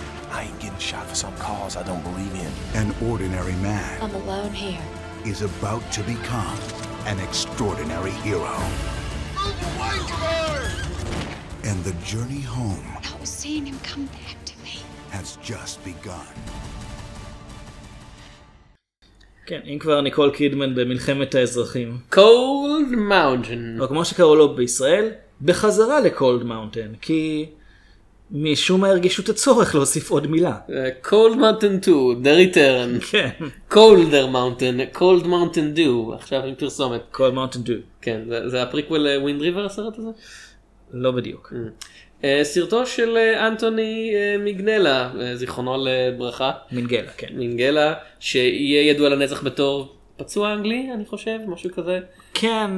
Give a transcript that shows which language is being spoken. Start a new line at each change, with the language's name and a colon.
English: I ain't getting shot for some cause I don't believe in. An ordinary man. I'm alone here. Is about to become an extraordinary hero. Move away from her! And the journey home. I was seeing him come back to me. Has just begun.
Hebrew: כן, אם כבר ניקול קידמן במלחמת האזרחים.
English: Cold Mountain.
Hebrew: או כמו שקראו לו בישראל, בחזרה ל-Cold Mountain, כי משום מה הרגישו את הצורך להוסיף עוד מילה.
English: Cold Mountain 2, The Return.
Hebrew: כן.
English: Colder Mountain, Cold Mountain Dew,
Hebrew: עכשיו עם פרסומת.
English: Cold Mountain Dew.
Hebrew: כן, זה הפריקוול ל-Wind River הסרט הזה? לא בדיוק. סרטו של אנטוני מגנלה, זיכרונו לברכה. מנגלה, כן. מנגלה, שיהיה ידוע לנצח בתור פצוע אנגלי, אני חושב, משהו כזה. כן.